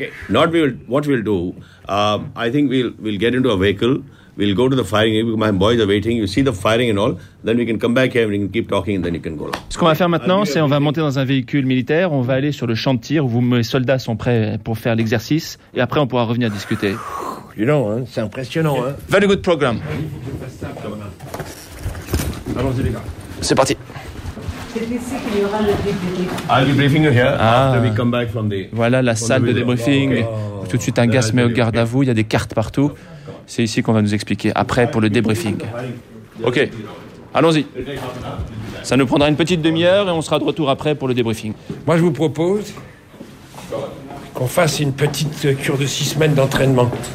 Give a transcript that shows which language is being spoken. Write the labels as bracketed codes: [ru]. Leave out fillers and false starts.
[en] Not we will, what we'll do, I think we'll get into a vehicle, we'll go to the firing area, my boys are waiting, you see the firing and all, then we can come back here and we can keep talking and then you can go. [fr] Ce qu'on va faire maintenant, c'est on va monter dans un véhicule militaire, on va aller sur le champ de tir où mes soldats sont prêts pour faire l'exercice, et après on pourra revenir discuter. [en] You know, [fr] hein, c'est impressionnant. Hein. [en] Very good program. [fr] Allons-y les gars. C'est parti. [en] I'll be briefing you here after we come back from the. [fr] Voilà la salle de debriefing. Okay. Tout de suite un gars met au garde à vous. Il y a des cartes partout. C'est ici qu'on va nous expliquer après pour le debriefing. Ok, allons-y. Ça nous prendra une petite demi-heure et on sera de retour après pour le debriefing. Moi, je vous propose qu'on fasse une petite cure de 6 semaines d'entraînement.